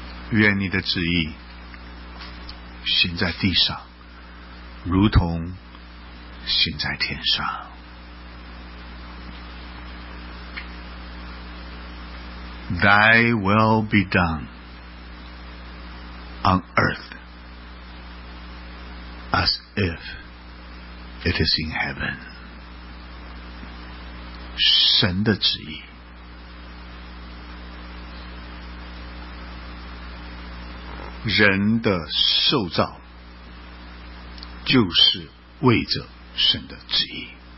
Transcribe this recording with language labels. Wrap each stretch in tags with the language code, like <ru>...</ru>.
<zh>愿你的旨意行在地上，如同行在天上。</zh> <en>Thy will be done on earth as if it is in heaven。</en> <zh>神的旨意，人的受造就是为着神的旨意。</zh>